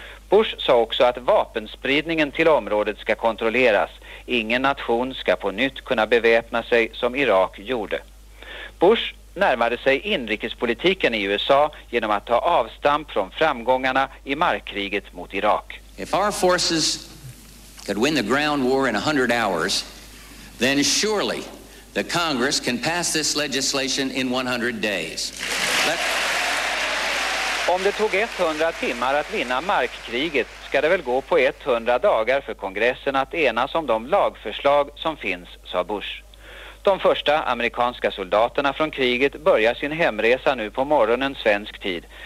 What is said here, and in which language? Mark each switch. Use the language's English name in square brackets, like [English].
[Swedish] Bush sa också att vapenspridningen till området ska kontrolleras. Ingen nation ska på nytt kunna beväpna sig som Irak gjorde. Bush närmade sig inrikespolitiken i USA genom att ta avstamp från framgångarna i markkriget mot Irak. [English] If our forces could win the ground war in 100 hours, then surely the Congress can pass this legislation in 100 days. [Swedish] Om det tog 100 timmar att vinna markkriget, ska det väl gå på 100 dagar för kongressen att enas om de lagförslag som finns, sa Bush. De första amerikanska soldaterna från kriget börjar sin hemresa nu på morgonen svensk tid.